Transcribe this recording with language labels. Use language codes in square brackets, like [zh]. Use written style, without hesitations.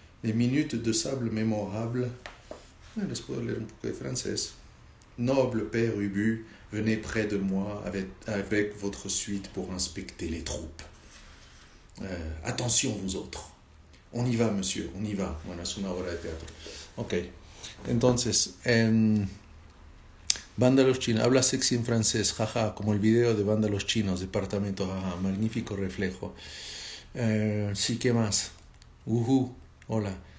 [fr] Les minutes de sable mémorables. [es] Les puedo leer un poco de francés. [fr] Noble Père Ubu, venez près de moi avec votre suite pour inspecter les troupes. Attention, vous autres. On y va, monsieur, on y va. [es] Bueno, es una obra de teatro. Ok. Entonces, Banda Los Chinos, habla sexy en francés, jaja, como el video de Banda Los Chinos, departamento, jaja, magnífico reflejo. Sí, ¿qué más? Hola.